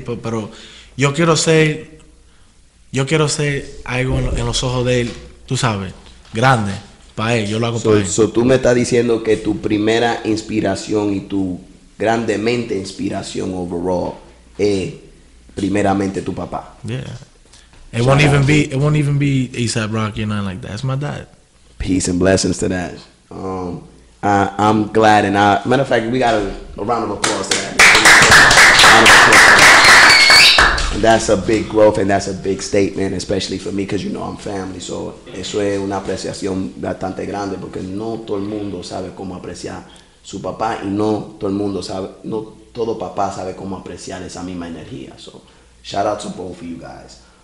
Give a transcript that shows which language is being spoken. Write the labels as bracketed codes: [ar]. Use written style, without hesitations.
[es] Pero yo quiero ser algo en los ojos de él, tú sabes, grande. Pa él, yo lo hago para él. [en] So, [es] tú me estás diciendo que tu primera inspiración y tu grandemente inspiración [en] overall [es] es primeramente tu papá. [en] Yeah. It won't even be A$AP Rocky or nothing like that. It's my dad. Peace and blessings to that. I'm glad. And matter of fact, we got a round of applause to that. That's a big growth and that's a big statement, especially for me, because you know I'm family. So [es] eso es una apreciación bastante grande, porque no todo el mundo sabe cómo apreciar su papá, y no todo el mundo sabe, no todo papá sabe cómo apreciar esa misma energía. [en] So shout out to both of you guys.